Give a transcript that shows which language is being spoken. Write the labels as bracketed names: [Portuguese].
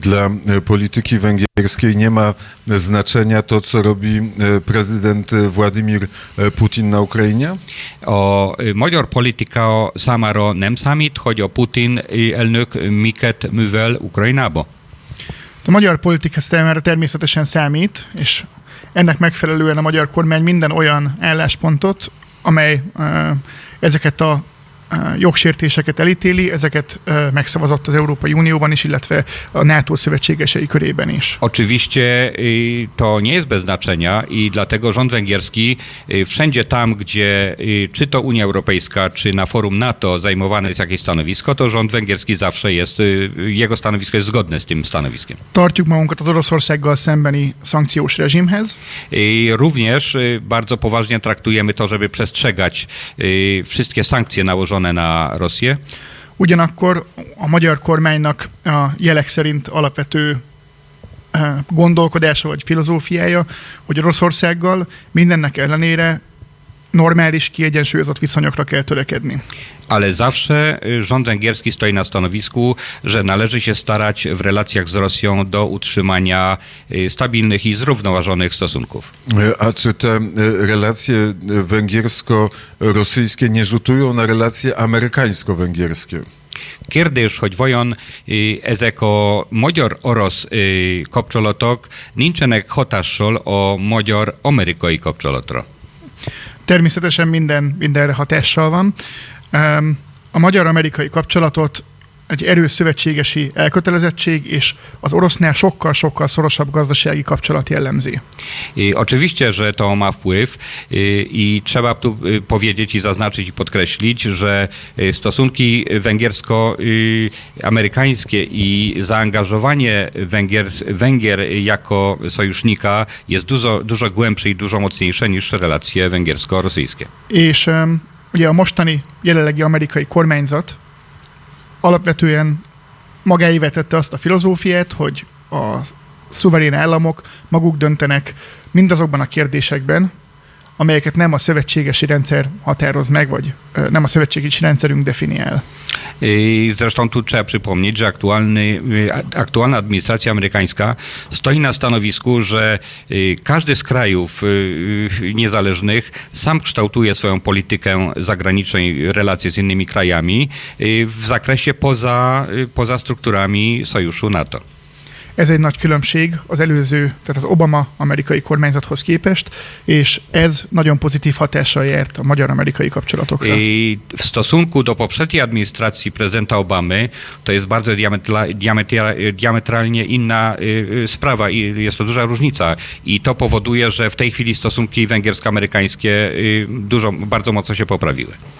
[Polish] Dla polityki węgierskiej nie ma znaczenia to, co robi prezydent Władimir Putin na Ukrainie? [Hungarian] O magyar polityka számára nem számít, hogy a Putin elnök miket művel Ukrajnába. A magyar politika számára természetesen számít, és ennek megfelelően a magyar kormány minden olyan álláspontot, amely ezeket a jogsértéseket elítéli, ezeket megszavazott az Európai Unióban is, illetve a NATO szövetségesei körében is. [Polish] Oczywiście to nie jest bez znaczenia i dlatego rząd węgierski wszędzie tam, gdzie czy to Unia Europejska, czy na forum NATO zajmowane jest jakieś stanowisko, to rząd węgierski zawsze jest, jego stanowisko jest zgodne z tym stanowiskiem. [Hungarian] Tartjuk magunkat az Oroszországgal szembeni szankciós reżimhez. [Polish] Również bardzo poważnie traktujemy to, żeby przestrzegać wszystkie sankcje nałożone na Rosję. [Hungarian] Ugyanakkor a magyar kormánynak a jelek szerint alapvető gondolkodása vagy filozófiája, hogy Oroszországgal mindennek ellenére normális, kiegyensúlyozott viszonyokra kell törekedni. [Polish] Ale zawsze rząd węgierski stoi na stanowisku, że należy się starać w relacjach z Rosją do utrzymania stabilnych i zrównoważonych stosunków. A czy te relacje węgiersko-rosyjskie nie rzutują na relacje amerykańsko-węgierskie? [Hungarian] Kérdés, hogy vajon ezek a magyar-orosz kapcsolatok nincsenek hatással a magyar-amerikai kapcsolatra? Természetesen mindenre hatással van. A magyar-amerikai kapcsolatot egy erős szövetségesi elkötelezettség és az orosznál sokkal-sokkal szorosabb gazdasági kapcsolat jellemzi. [Polish] Oczywiście, że to ma wpływ i trzeba tu powiedzieć i zaznaczyć i podkreślić, że stosunki węgiersko-amerykańskie i zaangażowanie Węgier jako sojusznika jest dużo, dużo głębsze i dużo mocniejsze niż relacje węgiersko-rosyjskie. [Hungarian] És ugye a mostani jelenlegi amerikai kormányzat alapvetően magáévé tette azt a filozófiát, hogy a szuverén államok maguk döntenek mindazokban a kérdésekben, amelyeket nem a szövetségesi rendszer határoz meg, vagy nem a szövetségesi rendszerünk definiál. [Polish] Zresztą tu trzeba przypomnieć, że aktualna administracja amerykańska stoi na stanowisku, że każdy z krajów niezależnych sam kształtuje swoją politykę zagraniczną i relacje z innymi krajami w zakresie poza strukturami sojuszu NATO. [Hungarian] Ez egy nagy különbség az előző, tehát az Obama amerikai kormányzathoz képest, és ez nagyon pozitív hatással járt a magyar-amerikai kapcsolatokra. [Polish] W stosunku do poprzedniej administracji prezydenta Obamy to jest bardzo diametralnie inna sprawa i jest to duża różnica. I to powoduje, że w tej chwili stosunki węgiersko-amerykańskie bardzo mocno się poprawiły.